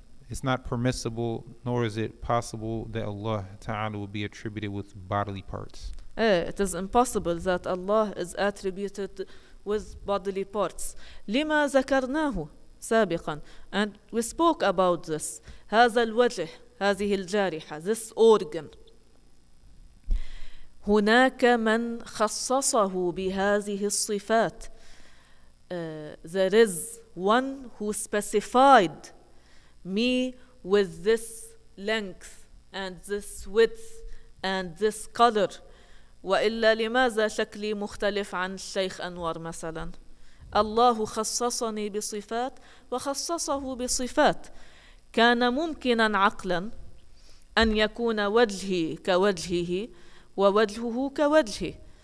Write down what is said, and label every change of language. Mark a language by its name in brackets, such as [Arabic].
[English] It's not permissible, nor is it possible that Allah Ta'ala will be attributed with bodily parts. It is impossible that Allah is attributed with bodily parts. [Arabic] لما ذكرناه سابقا. [English] And we spoke about this. [Arabic] هذا الوجه, هذه الجارحة, [English] this organ. [Arabic] هناك من خصصه بهذه الصفات. [English] There is one who specified me with this length and this width and this color. [Arabic] وإلا لماذا شكلي مختلف عن الشيخ أنور مثلا؟ الله خصصني بصفات وخصصه بصفات. كان ممكنا عقلا أن يكون وجهي كوجهه ووجهه كوجهه.